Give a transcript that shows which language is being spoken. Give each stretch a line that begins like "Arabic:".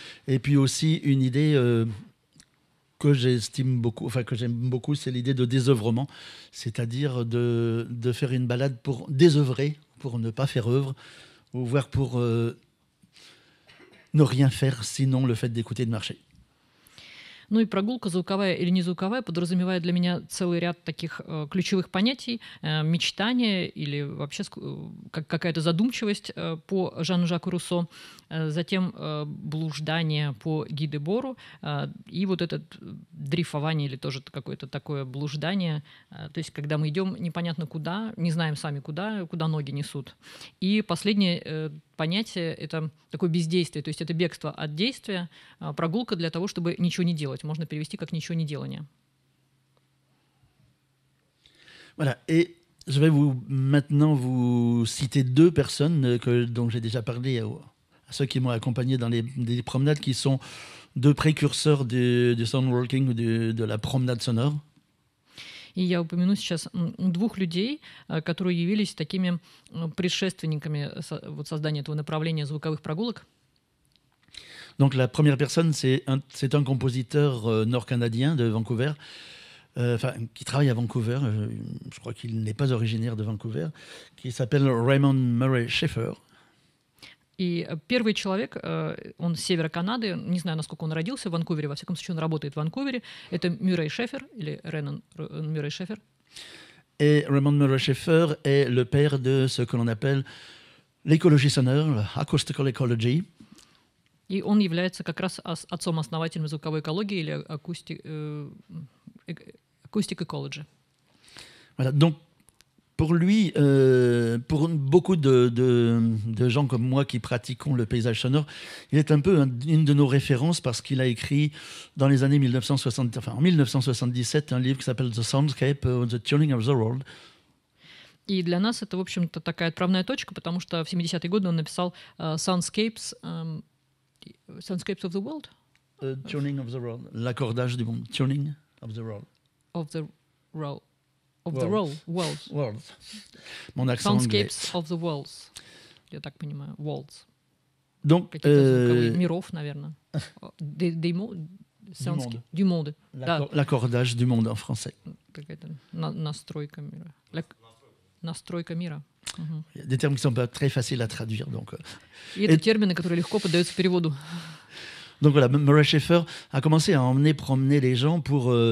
French: Et puis aussi une idée que j'aime beaucoup, c'est l'idée de désœuvrement, c'est-à-dire de faire une balade pour désœuvrer, pour ne pas faire œuvre, ou voir pour ne rien faire, sinon le fait d'écouter de marcher.
Russian: Ну и прогулка звуковая или не звуковая подразумевает для меня целый ряд таких ключевых понятий, мечтания или вообще какая-то задумчивость по Жану Жаку Руссо, затем блуждание по Ги Дебору и вот это дрейфование или тоже какое-то такое блуждание, то есть когда мы идем непонятно куда, не знаем сами куда, куда ноги несут. И последнее понятие — это такое бездействие, то есть это бегство от действия, прогулка для того, чтобы ничего не делать. Можно перевести как «ничего не делание».
French: Voilà. Et je vais vous, maintenant vous citer deux personnes dont j'ai déjà parlé, à ceux qui m'ont accompagné dans les promenades, qui sont deux précurseurs du sound walking, de la promenade sonore.
Russian: И я упомяну сейчас двух людей, которые явились такими предшественниками создания этого направления звуковых прогулок.
French: Donc la première personne, c'est un compositeur nord-canadien de Vancouver, qui travaille à Vancouver, je crois qu'il n'est pas originaire de Vancouver, qui s'appelle Raymond Murray Schaeffer.
Russian: И первый человек, он с севера Канады, не знаю, насколько он родился в Ванкувере, во всяком случае, он работает в Ванкувере, это Мюррей Шефер, или Реннон Мюррей Шефер.
French: Et Raymond Murray Schaeffer est le père de ce que l'on appelle l'écologie sonore, acoustical ecology.
Russian: И он является как раз отцом-основателем звуковой экологии или acoustic ecology.
French: Voilà, donc, pour lui, pour beaucoup de gens comme moi qui pratiquons le paysage sonore, il est un peu une de nos références parce qu'il a écrit dans les années 1977 un livre qui s'appelle The Soundscape or The Tuning of the World.
Russian: И для нас это, в общем-то, такая отправная точка, потому что в 70-е годы он написал Soundscapes of the World.
English: Tuning of the World.
French: L'accordage du monde.
English: Tuning of the World. Of the World. Of the worlds. Worlds.
French: Mon accent
English: Soundscapes anglais. Of the worlds.
Russian: Я так понимаю.
English: Worlds.
French: Donc,
Russian: какие-то миров, наверное.
French: Des mots. Du monde. L'accordage du monde en français.
Russian: Настройка мира. Настройка мира.
French: Il y a des termes qui sont pas très faciles à traduire. Donc, Et des
Russian: термины, которые легко поддаются переводу.
French: Donc voilà, Murray Schaeffer a commencé à emmener, promener les gens pour...